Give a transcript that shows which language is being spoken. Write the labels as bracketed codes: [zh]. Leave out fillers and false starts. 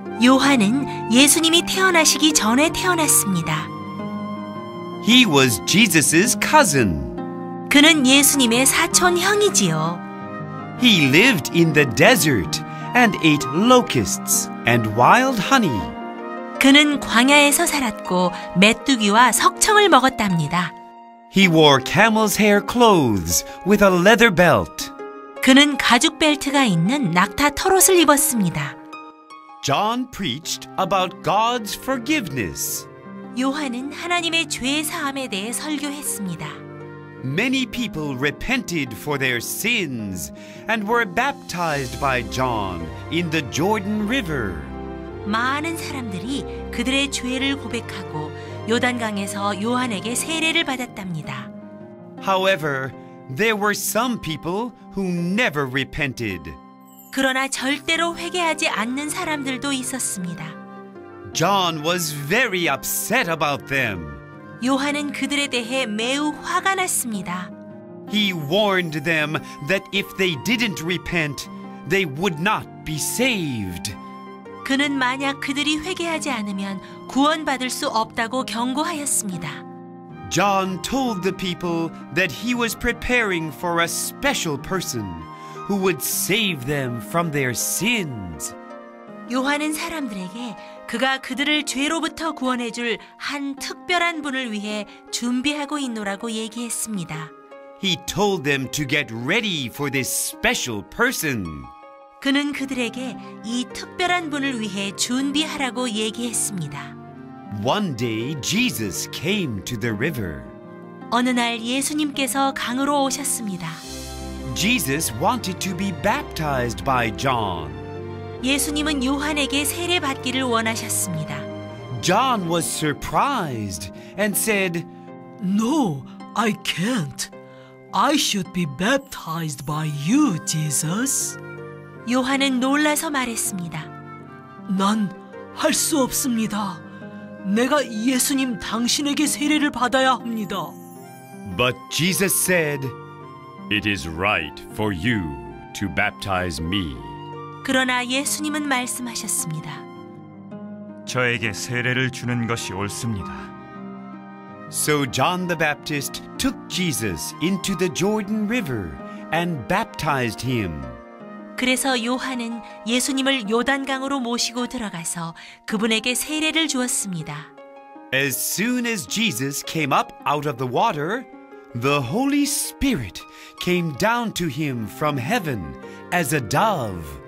[ko] 요한은 예수님이 태어나시기 전에 태어났습니다. [en] He was Jesus's cousin. [ko] 그는 예수님의 사촌 형이지요. [en] He lived in the desert and ate locusts and wild honey. [ko] 그는 광야에서 살았고 메뚜기와 석청을 먹었답니다. [en] He wore camel's hair clothes with a leather belt. [ko] 그는 가죽 벨트가 있는 낙타 털옷을 입었습니다. [en] John preached about God's forgiveness. [ko] 요한은 하나님의 죄 사함에 대해 설교했습니다. [en] Many people repented for their sins and were baptized by John in the Jordan River. [ko] 많은 사람들이 그들의 죄를 고백하고 요단강에서 요한에게 세례를 받았답니다. [en] However, There were some people who never repented. [ko] 그러나 절대로 회개하지 않는 사람들도 있었습니다. [en] John was very upset about them. [ko] 요한은 그들에 대해 매우 화가 났습니다. [en] He warned them that if they didn't repent, they would not be saved. [ko] 그는 만약 그들이 회개하지 않으면 구원받을 수 없다고 경고하였습니다. [en] John told the people that he was preparing for a special person who would save them from their sins. [ko] 요한은 사람들에게 그가 그들을 죄로부터 구원해 줄 한 특별한 분을 위해 준비하고 있노라고 얘기했습니다. [en] He told them to get ready for this special person. [ko] 그는 그들에게 이 특별한 분을 위해 준비하라고 얘기했습니다. [en] One day Jesus came to the river. [ko] 어느 날 예수님께서 강으로 오셨습니다. [en] Jesus wanted to be baptized by John. [ko] 예수님은 요한에게 세례 받기를 원하셨습니다. [en] John was surprised and said, No, I can't. I should be baptized by you, Jesus. [ko] 요한은 놀라서 말했습니다. 난 할 수 없습니다. 내가 예수님 당신에게 세례를 받아야 합니다. [en] But Jesus said, It is right for you to baptize me. [ko] 그러나 예수님은 말씀하셨습니다. 저에게 세례를 주는 것이 옳습니다. [en] So John the Baptist took Jesus into the Jordan River and baptized him. [ko] 그래서 요한은 예수님을 요단강으로 모시고 들어가서 그분에게 세례를 주었습니다. [en] As soon as Jesus came up out of the water, the Holy Spirit came down to him from heaven as a dove.